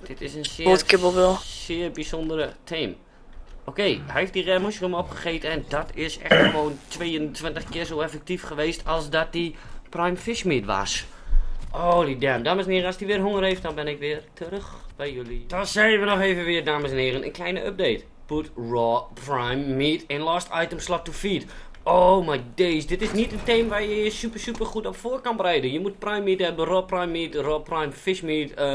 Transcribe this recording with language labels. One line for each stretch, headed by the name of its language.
Dutch: Dit is een zeer bijzondere team. Oké, okay, hij heeft die rare mushroom opgegeten en dat is echt gewoon 22 keer zo effectief geweest als dat die prime fish meat was.
English: Holy damn,
Dutch: dames en heren, als hij weer honger heeft, dan ben ik weer terug bij jullie. Dan zijn we nog even weer, dames en heren, een kleine update.
English: Put raw prime meat in last item slot to feed. Oh my days,
Dutch: dit is niet een team waar je je super super goed op voor kan bereiden. Je moet prime meat hebben, raw prime meat, raw prime fish meat.